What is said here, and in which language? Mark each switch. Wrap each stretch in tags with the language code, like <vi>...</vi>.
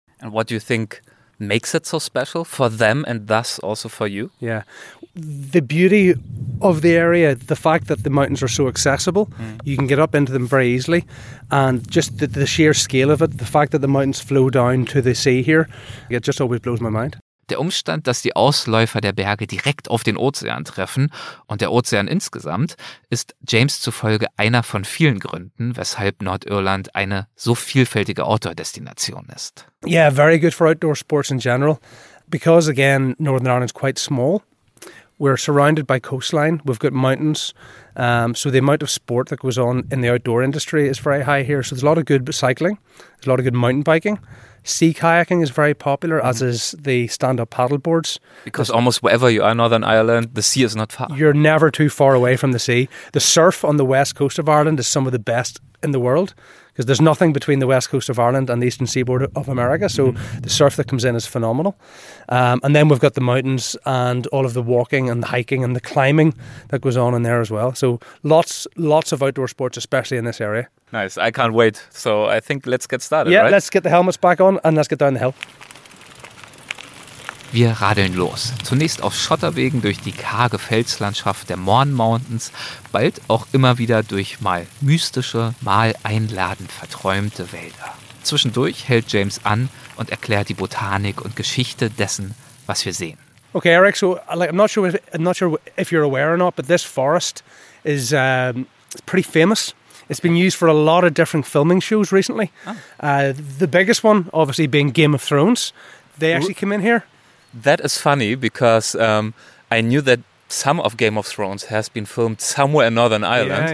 <en>And what do you think makes it so special for them and thus also for you? Yeah, the beauty of the area, the fact that the mountains are so accessible, you can get up into them very easily, and just the sheer scale of it, the fact that the mountains flow down to the sea here, it just always blows my mind.</en> <de>Der Umstand, dass die Ausläufer der Berge direkt auf den Ozean treffen und der Ozean insgesamt, ist James zufolge einer von vielen Gründen, weshalb Nordirland eine so vielfältige Outdoor-Destination ist.</de> <en>Yeah, very good for outdoor sports in general. Because again, Northern Ireland is quite small. We're surrounded by coastline. We've got mountains. So the amount of sport that goes on in the outdoor industry is very high here. So there's a lot of good cycling. There's a lot of good mountain biking. Sea kayaking is very popular, as is the stand-up paddle boards. Because almost wherever you are in Northern Ireland, the sea is not far. You're never too far away from the sea. The surf on the west coast of Ireland is some of the best in the world, because there's nothing between the west coast of Ireland and the eastern seaboard of America. So the surf that comes in is phenomenal. And then we've got the mountains and all of the walking and the hiking and the climbing that goes on in there as well. So lots of outdoor sports, especially in this area. Nice. I can't wait. So I think let's get started, yeah, right? Let's get the helmets back on and let's get down the hill.</en> <de>Wir radeln los. Zunächst auf Schotterwegen durch die karge Felslandschaft der Mourne Mountains, bald auch immer wieder durch mal mystische, mal einladend verträumte Wälder. Zwischendurch hält James an und erklärt die Botanik und Geschichte dessen, was wir sehen.</de> <en>Okay, Eric, so like, I'm not sure if you're aware or not, but this forest is pretty famous. It's been used for a lot of different filming shows recently. Oh. The biggest one, obviously, being Game of Thrones. They actually came in here. That is funny because I knew that some of Game of Thrones has been filmed somewhere in Northern Ireland.</en>